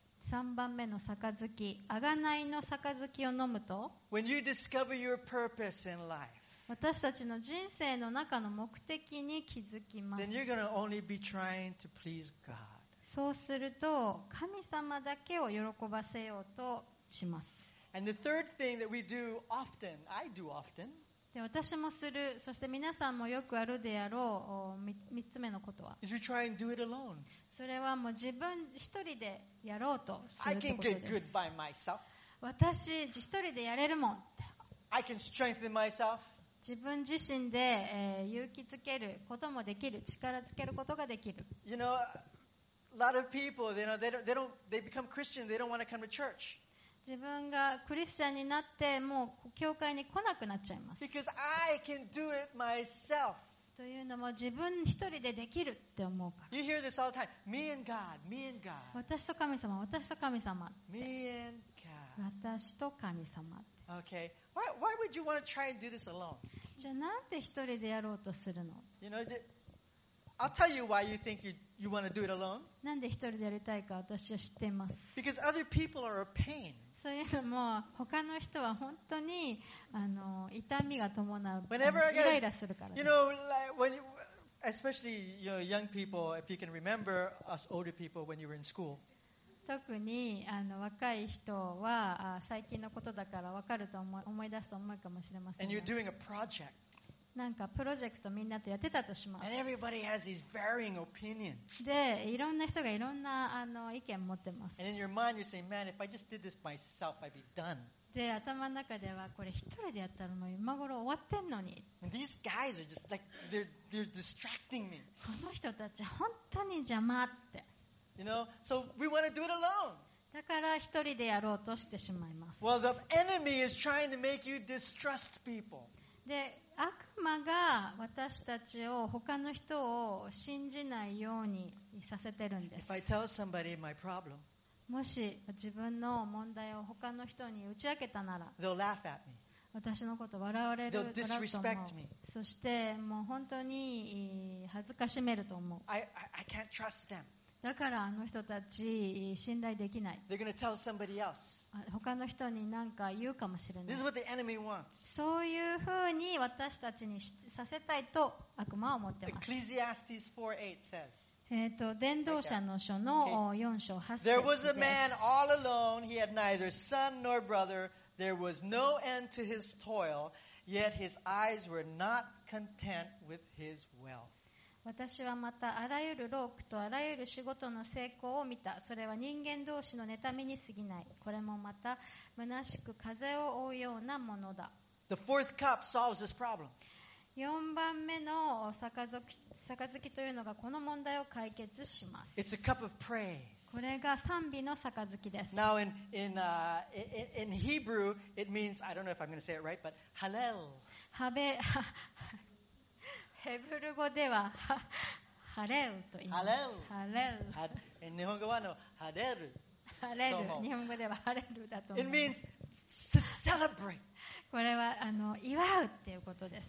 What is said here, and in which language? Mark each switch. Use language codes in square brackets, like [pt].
[ja] 3番目の杯、贖いの杯を飲むと [en] When you discover your purpose in life, [ja] 私たちの人生の中の目的に気づきます。 [en] Then you're going to only be trying to please God. [ja] そうすると神様だけを喜ばせようとします。 [en] And the third thing that we do often, I do often. [ja] で、私もする、そして皆さんもよくあるであろう、三つ目のことは。 [en] Is we try and do it alone. [ja] それはもう自分一人でやろうとするってことです。 [en] I can get good by myself. [ja] 私一人でやれるもん。 [en] I can strengthen myself. [ja] 自分自身で、勇気づけることもできる、力づけることができる。 [en] You know, a lot of people, you know, they become Christian, they don't want to come to church. [ja] 自分がクリスチャンになってもう教会に来なくなっちゃいます。 [en] Because I can do it myself. [ja] というのも自分一人でできるって思うから [en] You hear this all the time. Me and God, me and God. [ja] 私と神様、私と神様って。 [en] Me and God. [ja] 私と神様って。 [en] Okay. Why would you want to try and do this alone? [ja] じゃあなんで一人でやろうとするの [en] You know, I'll tell you why you think you want to do it alone. [ja] なんで一人でやりたいか私は知っています。 [en] Because other people are a pain. [ja] そういうのも他の人は本当にあの痛みが伴う、イライラするからです。 [en] You know, like when you, especially you know, young people, if you can remember us older people when you were in school. [ja] 特にあの若い人は最近のことだから分かると思い出すと思うかもしれません、ね。 [en] And you're doing a project. [ja] なんかプロジェクトみんなとやってたとします。 [en] And everybody has these varying opinions. [ja] で、いろんな人がいろんなあの意見持ってます。 [en] And in your mind you're saying, man, if I just did this myself, I'd be done. [ja] で、頭の中ではこれ一人でやったらもう今頃終わってんのに。 [en] These guys are just like they're distracting me. [ja] この人たち本当に邪魔って。 [en] You know, so we want to do it alone. [ja] だから一人でやろうとしてしまいます。 [en] Well, the enemy is trying to make you distrust people. [ja] で悪魔が私たちを他の人を信じないようにさせてるんです。 [en] If I tell somebody my problem, [ja] もし自分の問題を他の人に打ち明けたなら、 [en] they'll laugh at me. [ja] 私のこと笑われると思う。 [en] They'll disrespect me. [ja] そしてもう本当に恥ずかしめると思う。 [en] I can't trust them. [ja] だからあの人たち信頼できない。 [en] They're gonna tell somebody else. [ja] 他の人に何か言うかもしれない。 [en] This is what the enemy wants. [ja] そういうふうに私たちにさせたいと悪魔は思っています。 [en] Ecclesiastes 4:8 says. [ja] 伝道者の書の4章8節です。 [en] Okay. There was a man all alone. He had neither son nor brother. There was no end to his toil. Yet his eyes were not content with his wealth. [ja] 私はまたあらゆる労苦とあらゆる仕事の成功を見た。それは人間同士の妬みに過ぎない。これもまた虚しく風を追うようなものだ。 [en] The fourth cup solves this problem. [ja] 4番目の杯というのがこの問題を解決します。 [en] It's a cup of praise. [ja] これが賛美の杯です。 [en] Now in Hebrew it means I don't know if I'm going to say it right, but Hallel. [ja] ハベヘブル語ではハレルと言います。ハレル。ハレル。日本語はのハレル。ハレル。日本語ではハレルだと思います。 [en] It means to celebrate. [ja] これはあの祝うっていうことです。